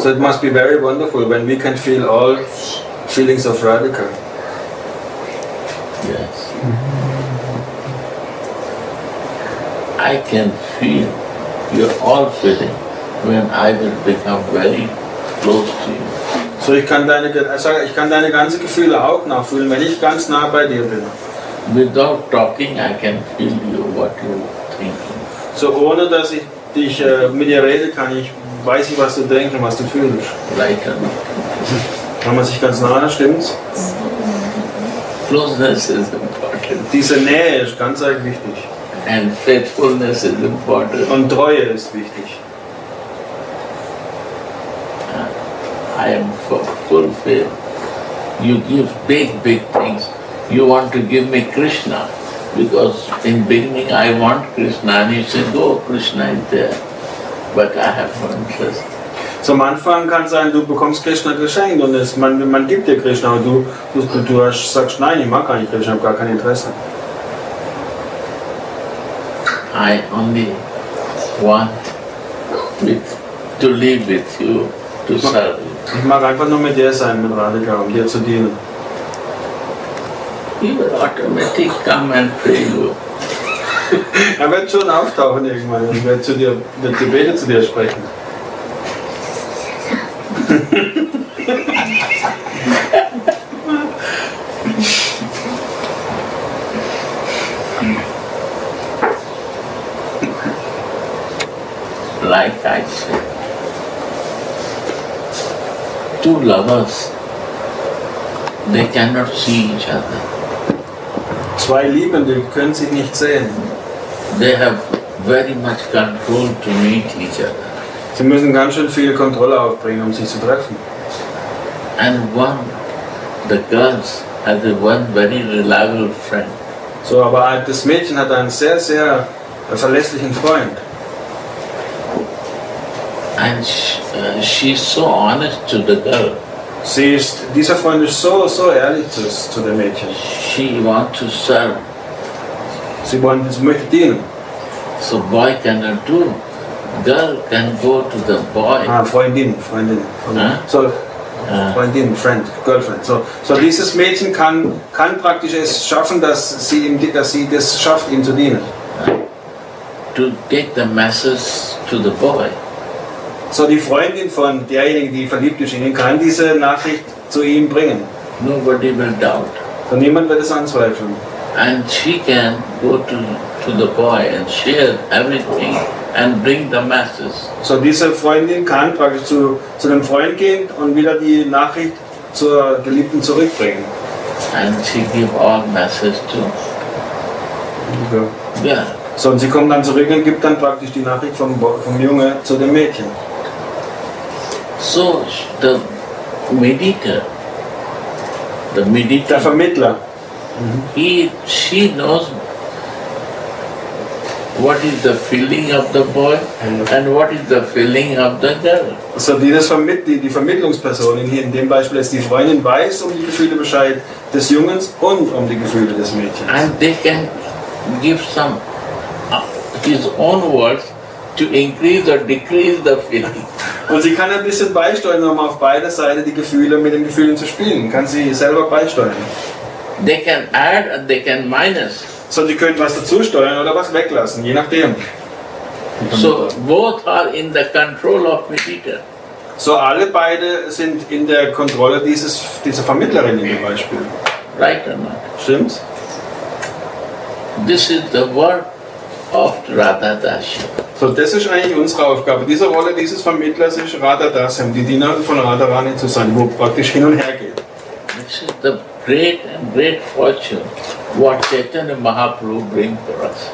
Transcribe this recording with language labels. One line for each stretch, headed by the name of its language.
English: So it must be very wonderful when we can feel all feelings of Radhika. I can feel your all feeling when I will become very close to you.
German: So ich kann deine ganze Gefühle auch nachfühlen, wenn ich ganz nah bei dir bin.
English: Without talking, I can feel you what you thinking.
German: So ohne dass ich dich mit dir rede, kann ich weiß ich was du denkst und was du fühlst.
English: Like
German: wenn man sich ganz nah, stimmt's?
English: Closeness is important.
German: Diese Nähe ist ganz arg wichtig.
English: And faithfulness is important.
German: Und Treue ist wichtig.
English: I am full faith. You give big things. You want to give me Krishna. Because in beginning I want Krishna. And you say, oh, Krishna is there. But I have no interest.
German: Zum Anfang kann es sein, du bekommst Krishna geschenkt und es, man gibt dir Krishna und du sagst, nein, ich mag gar nicht Krishna, ich habe gar kein Interesse.
English: I only want to live with you, to serve you.
German: Ich mag einfach nur mit dir sein, mit Radhika, um dir zu dienen.
English: He will automatically come and pray you.
German: Er wird schon auftauchen irgendwann und wird zu dir, mit Gebete zu dir sprechen.
English: Like I said, two lovers, they cannot see each other.
German: Zwei Liebende können sich nicht sehen.
English: They have very much control to meet each other.
German: Sie müssen ganz schön viel Kontrolle aufbringen, um sich zu treffen.
English: And one, the girls had one very reliable friend.
German: So, aber das Mädchen hat einen sehr, sehr verlässlichen Freund.
English: And she is so honest to the girl.
German: Sie ist, dieser Freund ist so, so ehrlich zu dem Mädchen.
English: She want to serve.
German: Sie möchte dienen.
English: So boy cannot do. Girl can go to the boy.
German: Ah, Freundin. Huh? So, Freundin,
English: friend, girlfriend.
German: So dieses Mädchen kann praktisch es schaffen, dass sie das schafft, ihm zu dienen.
English: To take the message to the boy.
German: So die Freundin von derjenigen, die verliebt ist in ihn, kann diese Nachricht zu ihm bringen.
English: Nobody will doubt.
German: So niemand wird es anzweifeln.
English: And she can go to the boy and share everything. And bring the message.
German: So diese Freundin kann praktisch zu dem Freund gehen und wieder die Nachricht zur Geliebten zurückbringen.
English: And she give all message to. Okay. Yeah.
German: So und sie kommt dann zurück und gibt dann praktisch die Nachricht vom Junge zu dem Mädchen.
English: So the mediator,
German: der Vermittler.
English: Mm-hmm. She knows. What is the feeling of the boy and what is the feeling of the girl?
German: So die Vermittlungsperson in dem Beispiel ist die Freundin weiß um die Gefühle Bescheid des Jungen und um die Gefühle des Mädchens.
English: And they can give some his own words to increase or decrease the feeling.
German: Und sie kann ein bisschen beisteuern, um auf beider Seite die Gefühle mit den Gefühlen zu spielen. Kann sie selber beisteuern.
English: They can add or they can minus.
German: So, die können was dazu steuern oder was weglassen, je nachdem.
English: So, both are in the control of mediator.
German: So, alle beide sind in der Kontrolle dieser Vermittlerin in dem Beispiel.
English: Right or not?
German: Stimmt's?
English: This is the work of Radha Dasya.
German: So, das ist eigentlich unsere Aufgabe. Diese Rolle dieses Vermittlers ist Radha Dasya, die Dienerin von Radharani zu sein, wo praktisch hin und her geht.
English: This is the great and great fortune what Chaitanya Mahaprabhu bring for us.